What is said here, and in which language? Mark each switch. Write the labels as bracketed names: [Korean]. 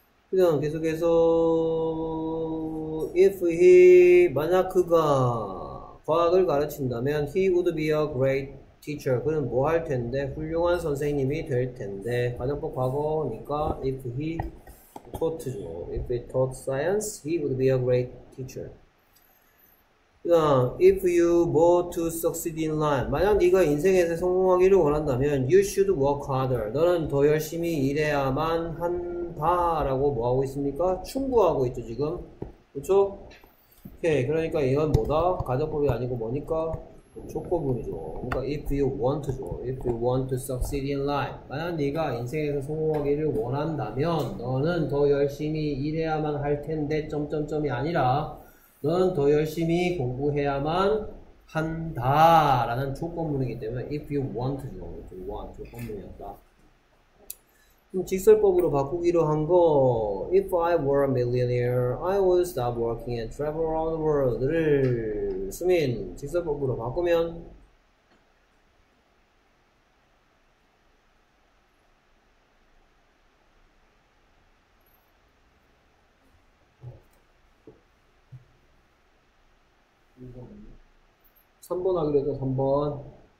[Korean] 그럼 계속해서 [English] If he, [Korean] 만약 그가 과학을 가르친다면 [English] He would be a great teacher. [Korean] 그는 뭐 할 텐데? 훌륭한 선생님이 될 텐데. 가정법 과거니까 [English] If he taught [Korean] 죠. [English] If he taught science, he would be a great teacher. [Korean] 그다음, [English] if you want to succeed in life. [Korean] 만약 네가 인생에서 성공하기를 원한다면 [English] You should work harder. [Korean] 너는 더 열심히 일해야만 한다. 라고 뭐하고 있습니까? 충고하고 있죠, 지금. 그쵸? 오케이. 그러니까 이건 뭐다? 가정법이 아니고 뭐니까? 조건문이죠. 그러니까 [English] if you want죠. If you want to succeed in life. [Korean] 만약 네가 인생에서 성공하기를 원한다면 너는 더 열심히 일해야만 할 텐데 점점점이 아니라 너는 더 열심히 공부해야만 한다 라는 조건문이기 때문에 [English] if you want [Korean] 죠. [English] If you want 조건문이었다. [Korean] 그럼 직설법으로 바꾸기로 한 거 [English] If I were a millionaire, I would stop working and travel around the world. [Korean] 수민, 직설법으로 바꾸면 3번 하기로 해서 3번